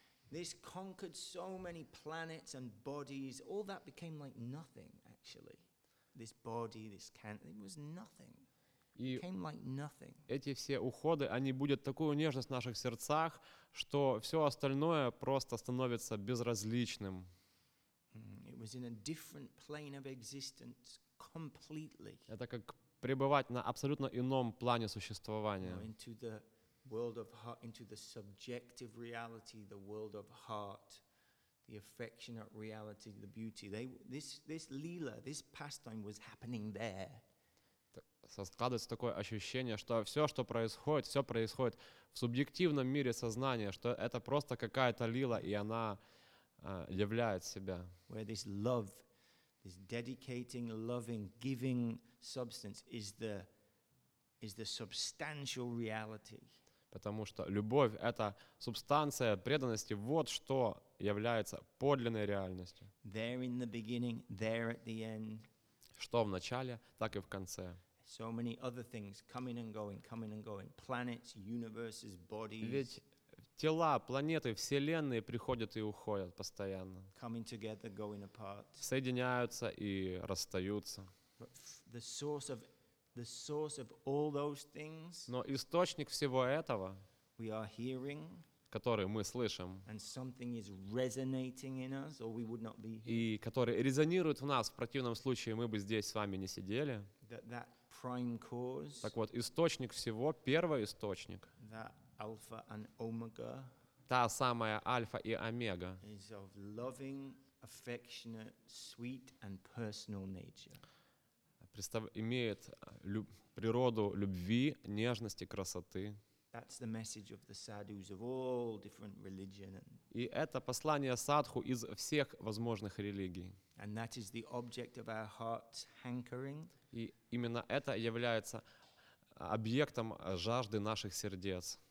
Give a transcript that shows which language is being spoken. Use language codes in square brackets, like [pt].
[en] This conquered so many planets and bodies. All that became like nothing, actually. This body, this cancer, it was nothing. It became like nothing. [ru] Эти все уходы, они будут такую нежность в наших сердцах, что все остальное просто становится безразличным. [en] It was in a different plane of existence completely. [ru] Это как пребывать на абсолютно ином плане существования. [en] World of heart, into the subjective reality, the world of heart, the affectionate reality, the beauty. This lila, this pastime was happening there. [ru] Складывается такое ощущение, что все, происходит в субъективном мире сознания, что это просто какая-то лила, и она являет себя. [en] Where this love, this dedicating, loving, giving substance is the substantial reality. [ru] Потому что любовь — это субстанция преданности. Вот что является подлинной реальностью. [en] There in the beginning, there at the end. [ru] Что в начале, так и в конце. [en] So many other things coming and going, coming and going. Planets, universes, bodies. [ru] Ведь тела, планеты, вселенные приходят и уходят постоянно. [en] Coming together, going apart. [ru] Соединяются и расстаются. [en] The source of all those things. [ru] Но источник всего этого, [en] we are hearing, [ru] который мы слышим, [en] and something is resonating in us, or we would not be here. [ru] И который резонирует в нас, в противном случае мы бы здесь с вами не сидели. [en] That prime cause. [ru] Так вот, источник всего, первый источник. [en] That alpha and omega. [ru] Та самая альфа и омега. [en] Is of loving, affectionate, sweet and personal nature. [ru] Имеет природу любви, нежности, красоты. [en] That's the message of the sadhus of all different religion. [ru] И это послание садху из всех возможных религий. [en] And that is the object of our heart's hankering. [ru] И именно это является объектом жажды наших сердец.